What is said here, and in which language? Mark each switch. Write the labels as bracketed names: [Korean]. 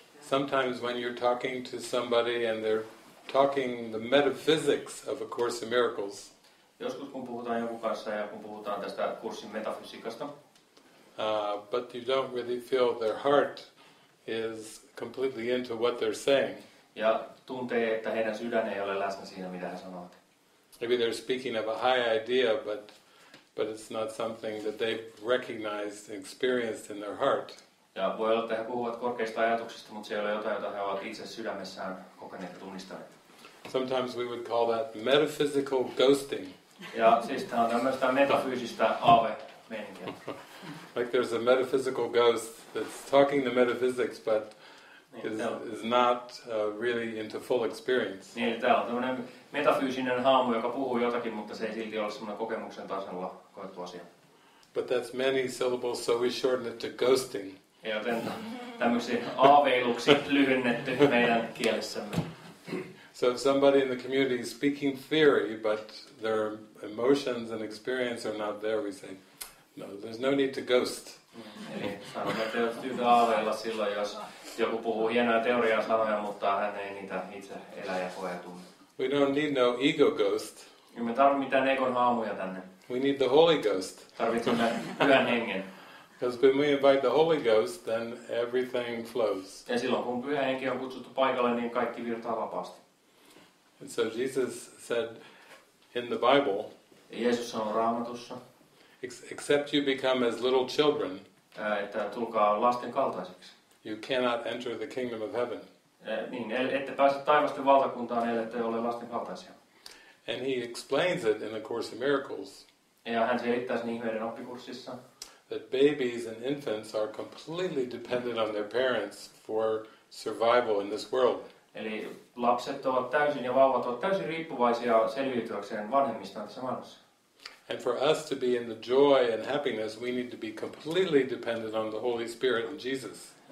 [English] Sometimes when you're talking to somebody and they're talking the metaphysics of A Course in Miracles. [Finnish] Joskus kun puhutaan jonkun kanssa ja kun puhutaan tästä kurssin metafysiikasta. [English] But you don't really feel their heart is completely into what they're saying. [Finnish] ja tuntee, että heidän sydän ei ole läsnä siinä, mitä he sanovat. [English] Maybe they're speaking of a high idea, but it's not something that they've recognized and experienced in their heart. [Finnish] Ja voi olla, että he puhuvat korkeista ajatuksista, mutta se ei ole jotain, jota he ovat itse sydämessään kokeneet ja tunnistaneet. [English] Sometimes we would call that metaphysical ghosting. [Finnish] Ja siis tämä on tämmöistä metafyysistä aave-meeninkiä. [English] Like there's a metaphysical ghost that's talking the metaphysics, but is not really into full experience. [Finnish] Niin, eli täällä on tämmöinen metafyysinen haamu, joka puhuu jotakin, mutta se ei silti ole semmoinen kokemuksen tasolla koettu asia. [English] But that's many syllables, so we shorten it to ghosting. [Finnish] Joten tämmöisiin aaveiluksi lyhennetty meidän kielessämme. [English] So if somebody in the community is speaking theory, but their emotions and experience are not there, we say, no, there's no need to ghost. [Finnish] Eli sanon, että jos tyytyy aaveilla silloin, jos joku puhuu hienoja teoriaa sanoja, mutta hän ei niitä itse elä ja koe ja tunne. [English] We don't need no ego ghost. [Finnish] Me tarvitsemme mitään egon haamuja tänne. [English] We need the Holy Ghost. [Finnish] Tarvitsemme pyhän hengen. [English] Because when we invite the Holy Ghost, then everything flows. [Finnish] Ja silloin kun pyhä henki on kutsuttu paikalle, niin kaikki virtaa vapaasti. [English] And so Jesus said in the Bible, [Finnish] Jeesus sanoi Raamatussa, [English] except you become as little children, [Finnish] että tulkaa lasten kaltaisiksi, [English] you cannot enter the kingdom of heaven. [Finnish] Niin, ette pääse taivasten valtakuntaan, ellette ole lasten kaltaisia. [English] And he explains it in the Course of Miracles. [Finnish] Ja hän selittää sen ihmeiden oppikurssissa. [English] That babies and infants are completely dependent on their parents for survival in this world. [Finnish] Eli lapset ovat täysin ja vauvat ovat täysin riippuvaisia selviytyäkseen vanhemmistaan tässä maailmassa. [English] And for us to be in the joy and happiness, we need to be completely dependent on the Holy Spirit and Jesus.